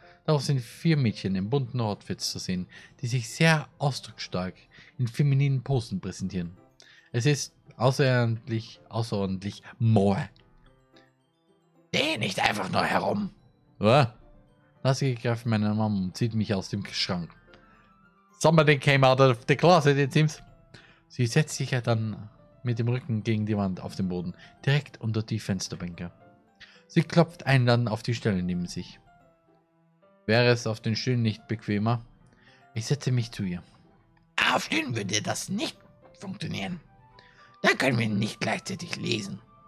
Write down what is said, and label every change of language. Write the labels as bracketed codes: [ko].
[de] Darauf sind vier Mädchen in bunten Outfits zu sehen, die sich sehr ausdrucksstark in femininen Posen präsentieren. Es ist außerordentlich Moe. Steh nicht einfach nur herum. Was? Lassie greift meine Mom und zieht mich aus dem Schrank. [en] Somebody came out of the closet, it seems. [de] Sie setzt sich ja dann mit dem Rücken gegen die Wand auf den Boden, direkt unter die Fensterbänke. Sie klopft einen dann auf die Stelle neben sich. Wäre es auf den Stühlen nicht bequemer? Ich setze mich zu ihr. Auf Stühlen würde das nicht funktionieren. Dann können wir nicht gleichzeitig lesen.